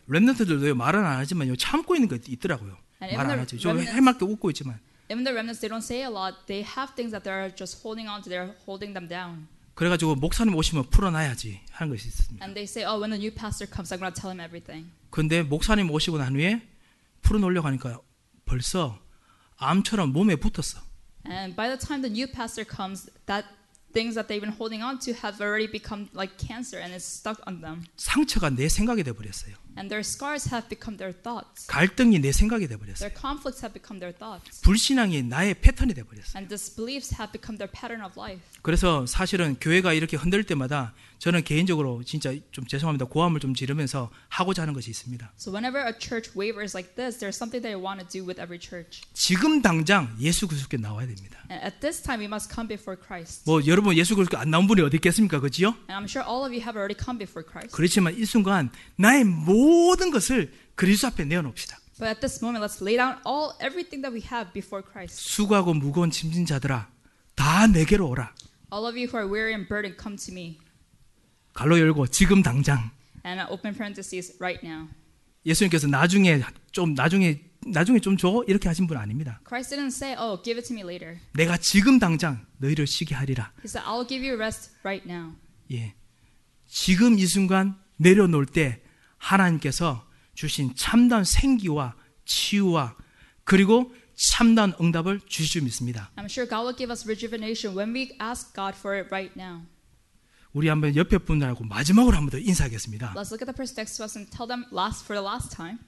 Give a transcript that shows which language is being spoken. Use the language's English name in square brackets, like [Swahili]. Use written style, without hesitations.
[Korean] 렘넌트들도요 말은 안 하지만요 참고 있는 것 있더라고요. 말 안 하죠. 좀 해맑게 웃고 있지만. [English] Even the remnants, they don't say a lot. They have things that they're just holding on to. They're holding them down. [Korean] 그래가지고 목사님 오시면 풀어놔야지 하는 것이 있습니다. [English] And they say, oh, when the new pastor comes, I'm going to tell him everything. [Korean] 근데 목사님 오시고 난 후에 풀어놓으려고 하니까 벌써 암처럼 몸에 붙었어. [English] And by the time the new pastor comes, that things that they've been holding on to have already become like cancer and it's stuck on them. [Korean] 상처가 내 생각이 돼버렸어요. [English] And their scars have become their thoughts. [Korean] 갈등이 내 생각이 돼버렸어요. [English] Their conflicts have become their thoughts. [Korean] 불신앙이 나의 패턴이 돼버렸어요. [English] And disbeliefs have become their pattern of life. [Korean] 그래서 사실은 교회가 이렇게 흔들 때마다 저는 개인적으로 진짜 좀 죄송합니다. 고함을 좀 지르면서 하고자 하는 것이 있습니다. [English] So whenever a church wavers like this, there's something that I want to do with every church. [Korean] 지금 당장 예수 그리스도께 나와야 됩니다. [English] And at this time, we must come before Christ. [Korean] 뭐 여러분 예수 그리스도 안 나온 분이 어디 있겠습니까? 그렇죠? [English] And I'm sure all of you have already come before Christ. [Korean] 그렇지만 이 순간 나의 모든 것을 그리스도 앞에 내어놓읍시다. [English] But at this moment, let's lay down all everything that we have before Christ. [Korean] 수고하고 무거운 짐진 자들아, 다 내게로 오라. [English] All of you who are weary and burdened, come to me. [Korean] 갈로 열고 지금 당장. [English] And open parentheses right now. [Korean] 예수님께서 나중에 좀 줘 이렇게 하신 분 아닙니다. [English] Christ didn't say, "Oh, give it to me later." [Korean] 내가 지금 당장 너희를 쉬게 하리라. [English] He said, "I'll give you rest right now." [Korean] 예, 지금 이 순간 내려놓을 때. 하나님께서 주신 참다운 생기와 치유와 그리고 참다운 응답을 주실 줄 믿습니다. [English] I'm sure God will give us rejuvenation when we ask God for it right now. [Korean] 우리 한번 옆에 분들하고 마지막으로 한번 더 인사하겠습니다. [English] Let's look at the person next to us and tell them last for the last time.